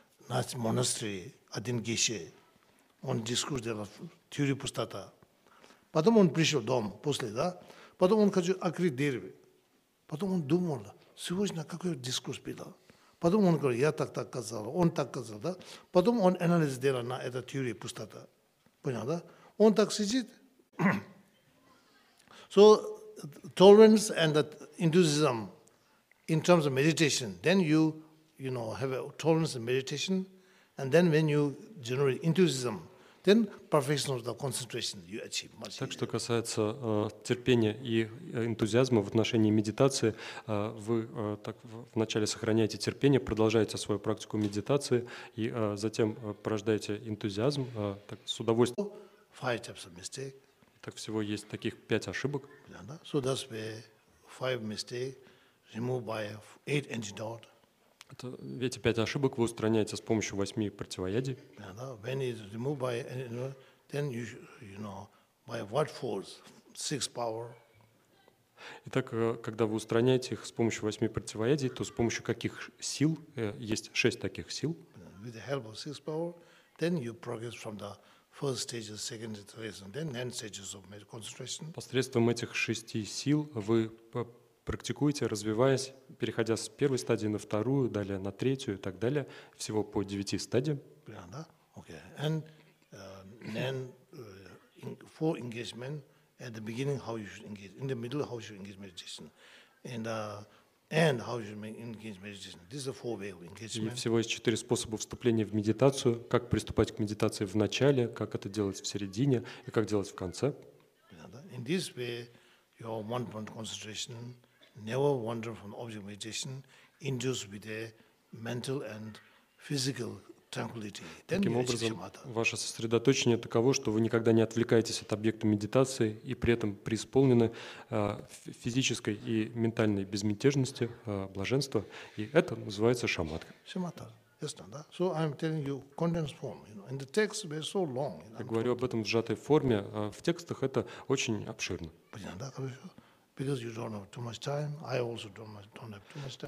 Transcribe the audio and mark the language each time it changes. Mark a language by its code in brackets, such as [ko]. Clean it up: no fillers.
[ru] Наш монастырь, один гейше, он дискурс делал теорию пустота. Потом он пришел дома после, да? Потом он хочет открыть дерево. Потом он думал, сегодня какой дискурс был. Потом он говорит, я так сказал, он так сказал, да? Потом он анализ делал на эту теорию пустота. Понял, да? Он так сидит. [en] So, tolerance and the enthusiasm in terms of meditation, then you know, have a tolerance and meditation, and then when you generate enthusiasm, then perfection of the concentration you achieve much easier. [ru] Так, что касается терпения и энтузиазма в отношении медитации, вы так вначале сохраняете терпение, продолжаете свою практику медитации, и затем порождаете энтузиазм так, с удовольствием. [en] Five types of mistake. [ru] Так, всего есть таких 5 ошибок. [en] Yeah, no? So that's why 5 mistakes removed by 8 antidotes. [ru] Эти 5 ошибок вы устраняете с помощью 8 противоядий. [en] Yeah, no? When it's removed by, then you know, by what force? 6 power. [ru] Итак, когда вы устраняете их с помощью 8 противоядий, то с помощью каких сил? Есть 6 таких сил. [en] With the help of 6 power, then you progress from the first stage, second stage, then 9 stages of concentration. [ru] Посредством этих 6 сил вы практикуете, развиваясь, переходя с первой стадии на вторую, далее на третью и так далее, всего по 9 стадиям. Да? Okay. [en] And then for engagement at the beginning how you should engage, in the middle how you should engage meditation, and end how you should engage meditation. This is the 4 way of engagement. [ru] И всего есть 4 способа вступления в медитацию, как приступать к медитации в начале, как это делать в середине и как делать в конце. Да? [en] In this way, your one point concentration never wander from object meditation, induced with a mental and physical tranquility. Then [ru] таким образом, ваше сосредоточение таково, что вы никогда не отвлекаетесь от объекта медитации и при этом преисполнены физической и ментальной безмятежности, блаженства. И это называется шаматха. [en] Шаматха. [ru] Ясно, да? [en] So I'm telling you condensed form. You know, and the texts were so long. [ru] Я говорю об этом в сжатой форме. В текстах это очень обширно. Понятно, да? Хорошо. [en] Because you don't have too much time, I also don't have too much time.